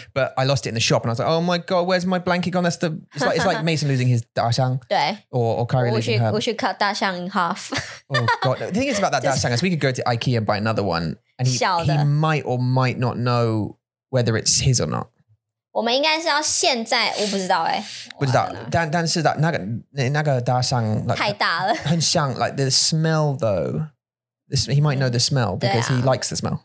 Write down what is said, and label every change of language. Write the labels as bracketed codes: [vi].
[en] But I lost it in the shop and I was like, oh my God, where's my blanket gone? That's the, it's like Mason losing his 大象. Or Kyrie losing her. We should cut 大象 in half. Oh God. The thing is about that 大象 is we could go to IKEA and buy another one. And he might or might not know whether it's his or not. [zh] 我们应该是要现在，我不知道哎，不知道，但是那个大象太大了，很像 [en] like the smell though. He might know the smell because he likes the smell.